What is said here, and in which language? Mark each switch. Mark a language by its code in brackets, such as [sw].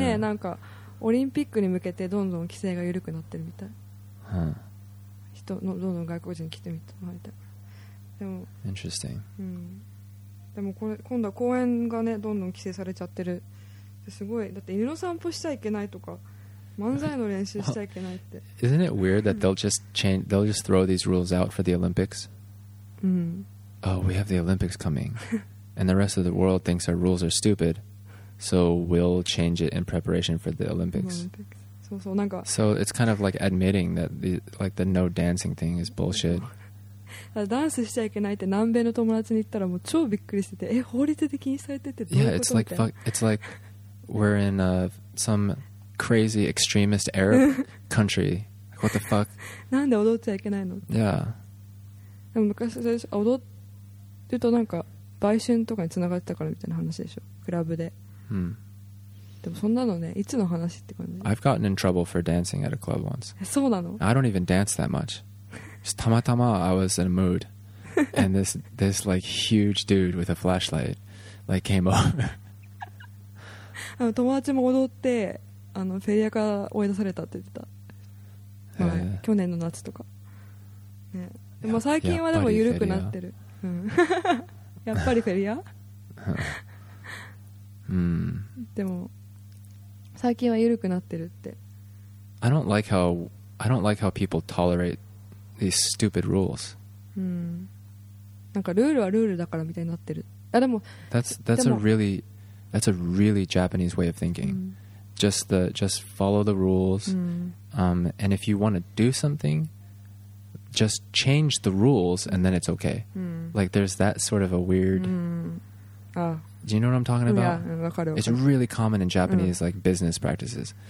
[ja] 最近ね、なんかオリンピックに向けてどんどん規制が緩くなってるみたい。うん、人のどんどん外国人来てみてもらいたい。でも、 [en] Interesting。 [ja] うん。でもこれ今度は公園がねどんどん規制されちゃってる。すごい。だって犬の散歩しちゃいけないとか。 [en] Well, isn't it weird that they'll just change, they'll just throw these rules out for the Olympics? Oh, we have the Olympics coming. And the rest of the world thinks our rules are stupid. So we'll change it in preparation for the Olympics. So it's kind of like admitting that the, like the no dancing thing is bullshit. [ja] ダンスしちゃいけないって南米の友達に言ったらもう超びっくりしてて、え、法律で禁止されててどういうこと？ [en] Yeah, it's like, it's like we're in a, some... crazy extremist Arab country. What the fuck? [ja] なんで踊っちゃいけないの？ [en] Yeah. [ja] でも昔踊るとなんか売春とかにつながってたからみたいな話でしょ、クラブで。 Hmm. でもそんなのね、いつの話って感じ。 [en] I've gotten in trouble for dancing at a club once. [ja] そうなの？ [en] I don't even dance that much. Just たまたま I was in a mood. And this like huge dude with a flashlight like came over. [ja] 友達も踊ってあのフェリアから追い出されたって言ってた、去年の夏とか、ね、でも最近はでも緩くなってる、やっぱりフェリア、でも最近は緩くなってるって。 [en] I don't like how people tolerate these stupid rules、 [ja] なんかルールはルールだからみたいになってる。あ、でも [en] that's a really Japanese way of thinking、just follow the rules、and if you want to do something just change the rules and then it's okay. Like there's that sort of a weird... Do you know what I'm talking about? It's really common in Japanese like business practices.